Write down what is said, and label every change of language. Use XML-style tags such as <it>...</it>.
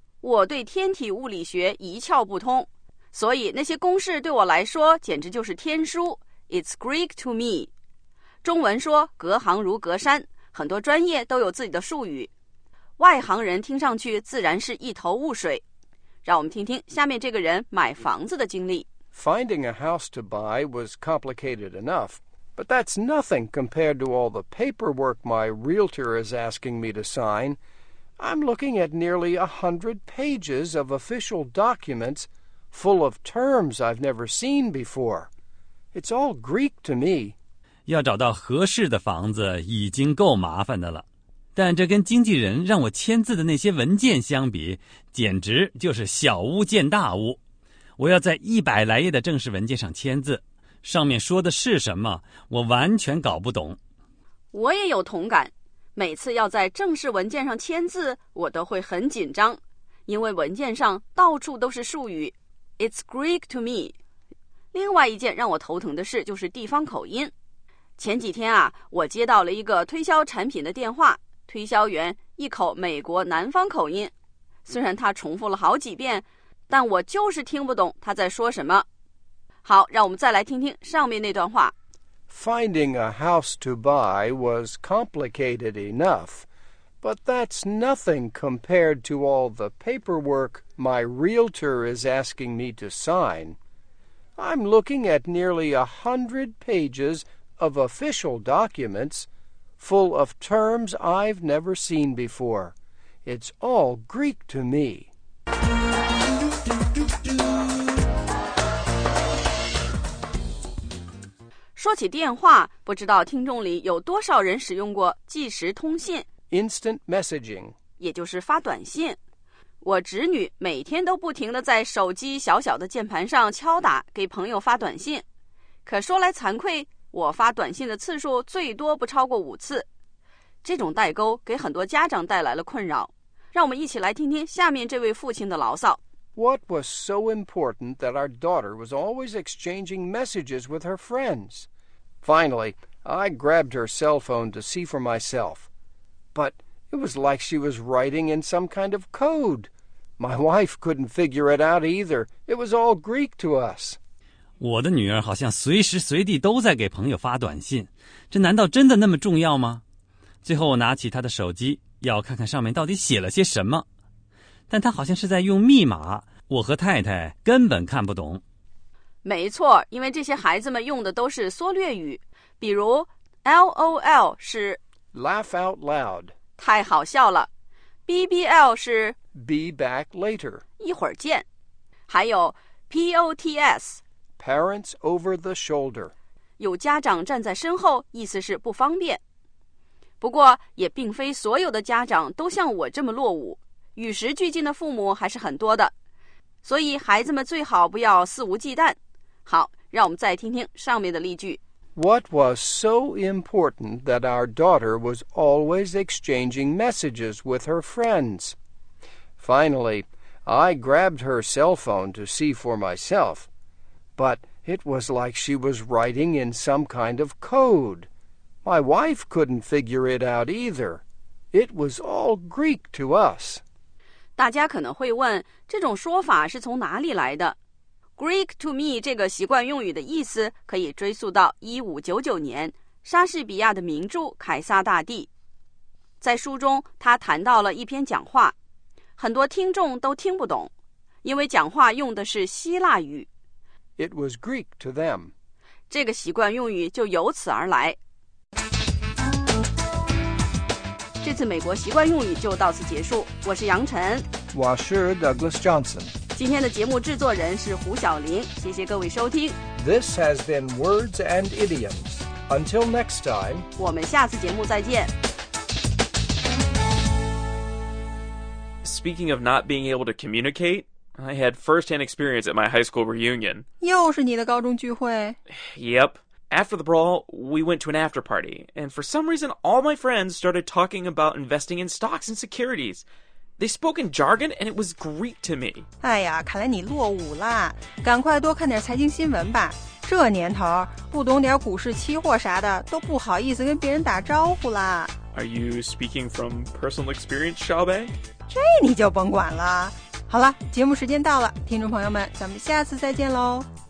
<zh>我对天体物理学一窍不通，所以那些公式对我来说简直就是天书。</zh> <en>It's Greek to me。</en> <zh>中文说隔行如隔山，很多专业都有自己的术语，外行人听上去自然是一头雾水。让我们听听下面这个人买房子的经历。</zh> <en>Finding a house to buy was complicated enough, but that's nothing compared to all the paperwork my realtor is asking me to sign. I'm looking at nearly 100 pages of official documents full of terms I've never seen before. It's all Greek to me.</en> <zh>要找到合适的房子已经够麻烦的了。但这跟经纪人让我签字的那些文件相比，简直就是小巫见大巫。我要在100来页的正式文件上签字，上面说的是什么，我完全搞不懂。我也有同感。每次要在正式文件上签字，我都会很紧张，因为文件上到处都是术语。</zh> <en>It's Greek to me。</en> <zh>另外一件让我头疼的事就是地方口音。前几天啊，我接到了一个推销产品的电话，推销员一口美国南方口音，虽然他重复了好几遍，但我就是听不懂他在说什么。好，让我们再来听听上面那段话。</zh> <en>Finding a house to buy was complicated enough, but that's nothing compared to all the paperwork my realtor is asking me to sign. I'm looking at nearly 100 pages of official documents full of terms I've never seen before. It's all Greek to me. Do-do-do-do-do.</en> <zh>说起电话，不知道听众里有多少人使用过即时通信</zh> <en>Instant messaging，</en> <zh>也就是发短信。我侄女每天都不停地在手机小小的键盘上敲打给朋友发短信，可说来惭愧，我发短信的次数最多不超过五次。这种代沟给很多家长带来了困扰，让我们一起来听听下面这位父亲的牢骚。</zh> <en>What was so important that our daughter was always exchanging messages with her friends? Finally, I grabbed her cell phone to see for myself. But it was like she was writing in some kind of code. My wife couldn't figure it out either. It was all Greek to us.</en> <zh>我的女儿好像随时随地都在给朋友发短信。这难道真的那么重要吗？最后我拿起她的手机，要看看上面到底写了些什么。但他好像是在用密码，我和太太根本看不懂。没错，因为这些孩子们用的都是缩略语，比如 LOL 是</zh> <en>Laugh out loud，</en> <zh>太好笑了。BBL 是</zh> <en>Be back later，</en> <zh>一会儿见。还有 POTS，</zh> <en>Parents over the shoulder，</en> <zh>有家长站在身后，意思是不方便。不过也并非所有的家长都像我这么落伍，与时俱进的父母还是很多的，所以孩子们最好不要肆无忌惮。好，让我们再听听上面的例句。</zh> <en>What was so important that our daughter was always exchanging messages with her friends? Finally, I grabbed her cell phone to see for myself, but it was like she was writing in some kind of code. My wife couldn't figure it out either. It was all Greek to us.</en> <zh>大家可能会问，这种说法是从哪里来的？</zh> <en>Greek to me</en> <zh>这个习惯用语的意思可以追溯到1599年莎士比亚的名著《凯撒大帝》。在书中他谈到了一篇讲话，很多听众都听不懂，因为讲话用的是希腊语。</zh> <en>It was Greek to them.</en> <zh>这个习惯用语就由此而来。这次美国习惯用语就到此结束，我是杨晨，我是 Douglas Johnson。今天的节目制作人是胡晓玲，谢谢各位收听。</zh> <en>This has been Words and Idioms. Until next time，</en> <zh>我们下次节目再见。</zh> <en>Speaking of not being able to communicate, I had first-hand experience at my high school reunion.</en> <zh>又是你的高中聚会？</zh> <en>Yep. After the brawl, we went to an after party, and for some reason, all my friends started talking about investing in stocks and securities. They spoke in jargon, and it was Greek to me.</en> <zh>哎呀，看来你落伍了，赶快多看点财经新闻吧。这年头，不懂点股市期货啥的，都不好意思跟别人打招呼了。</zh> <en>Are you speaking from personal experience, Xiaobei?</en> <zh>这你就甭管了。好了，节目时间到了，听众朋友们，咱们下次再见喽。</zh>